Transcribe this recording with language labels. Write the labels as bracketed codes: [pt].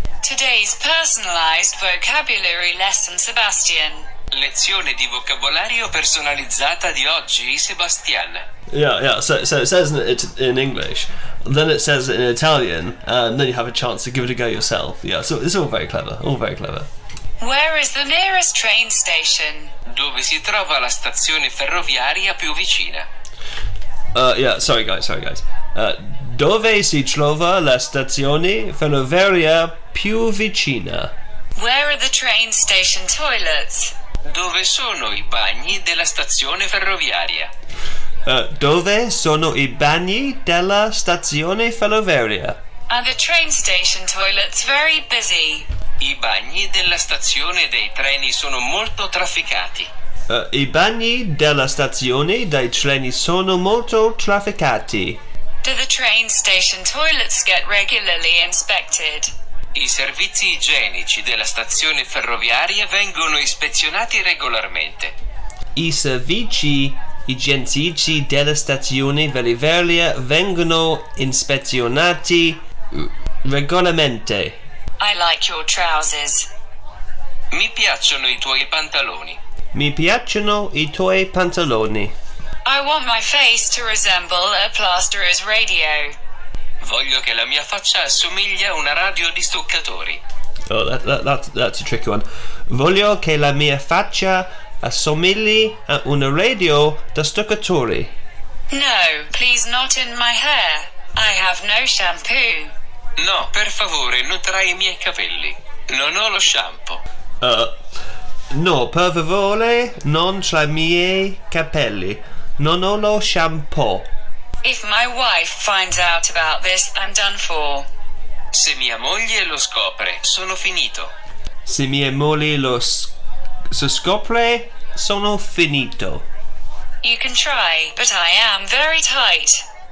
[en] Today's personalized vocabulary lesson, Sebastian. [it] Lezione di vocabolario personalizzata di oggi, Sebastian. [en] Yeah. So it says it in English, then it says it in Italian, and then you have a chance to give it a go yourself. Yeah, so it's all very clever. All very clever. Where is the nearest train station? [it] Dove si trova la stazione ferroviaria più vicina? [en] Sorry guys. [it] Dove si trova la stazione ferroviaria più vicina? [en] Where are the train station toilets? [it] Dove sono I bagni della stazione ferroviaria? Dove sono I bagni della stazione ferroviaria? [en] Are the train station toilets very busy? [it] I bagni della stazione dei treni sono molto trafficati. I bagni della stazione dei treni sono molto trafficati. [en] Do the train station toilets get regularly inspected? [it] I servizi igienici della stazione ferroviaria vengono ispezionati regolarmente. I servizi igienici della stazione ferroviaria vengono ispezionati regolarmente. [en] I like your trousers. [it] Mi piacciono I tuoi pantaloni. Mi piacciono I tuoi pantaloni. [en] I want my face to resemble a plasterer's radio. [it] Voglio che la mia faccia assomiglia a una radio di stuccatori. [en] Oh, that's a tricky one. [it] Voglio che la mia faccia assomigli a una radio da stuccatori. [en] No, please not in my hair. I have no shampoo. [it] No, per favore, non tra I miei capelli. Non ho lo shampoo. No, per favore, non tra I miei capelli. Non ho lo shampoo. [en] If my wife finds out about this, I'm done for. [it] Se mia moglie lo scopre, sono finito. Se mia moglie lo scopre, sono finito. [en] You can try, but I am very tight.